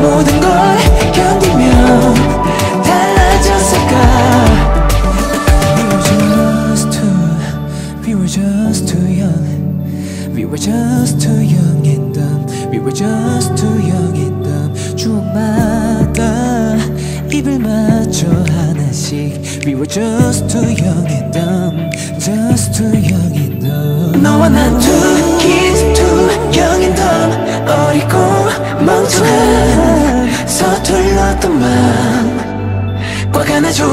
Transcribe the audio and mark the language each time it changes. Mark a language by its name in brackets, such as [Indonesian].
[Korean] 모든 걸 견디면 달라졌을까. [English] We were just two, we were just too young. We were just too young and dumb. We were just too young and dumb. [Korean] 추억마다 입을 맞춰 하나씩. [English] We were just too young and dumb. Just too young and dumb. [Korean] 너와 난 [English] too kids, too young and dumb. [Korean] 어리고 멍청한 서툴렀던 맘 과가 나죠.